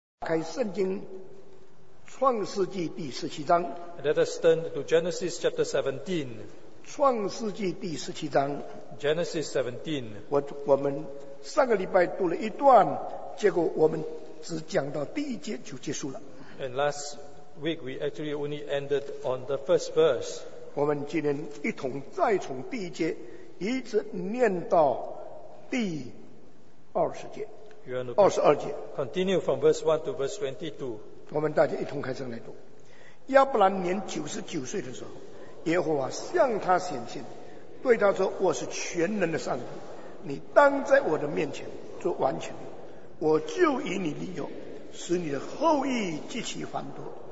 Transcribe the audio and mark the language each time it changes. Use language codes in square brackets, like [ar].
[zh] 开圣经创世纪第十七章。 [en] Let us turn to Genesis chapter 17. [zh] 创世纪第十七章。 [en] Genesis 17. [zh] 我们上个礼拜读了一段，结果我们只讲到第一节就结束了。 [en] And last week we actually only ended on the first verse. [zh] 我们今天一同再从第一节一直念到第二十节。 [en] Continue from verse 1 to verse 22. [zh] 我们大家一同开始来读。亚伯兰年99岁的时候，耶和华向他显现，对他说：我是全能的上帝，你当在我的面前做完全，我就以你立约，使你的后裔极其繁多。